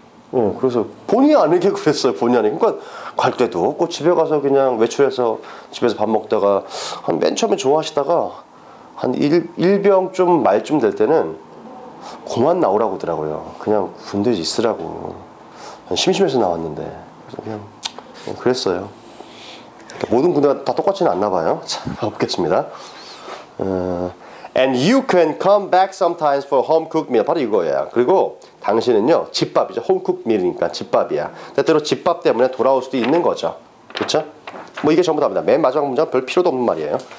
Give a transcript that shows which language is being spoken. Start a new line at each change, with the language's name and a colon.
Korean: 어, 그래서 본의 아니게 그랬어요. 본의 아니게. 그러니까 갈 때도 없고 집에 가서 그냥 외출해서 집에서 밥 먹다가 한 맨 처음에 좋아하시다가 한 일병 좀 말쯤 될 때는 고만 나오라고 하더라고요. 그냥 군대에 있으라고. 심심해서 나왔는데 그냥 그랬어요. 모든 군대가 다 똑같지는 않나 봐요. 참 없겠습니다.
English: And you can come back sometimes for home cooked meal.
Korean: 바로 이거예요. 그리고 당신은요 집밥이죠. home cooked meal이니까 집밥이야. 때때로 집밥 때문에 돌아올 수도 있는 거죠. 그렇죠? 뭐 이게 전부 다입니다. 맨 마지막 문장 별 필요도 없는 말이에요.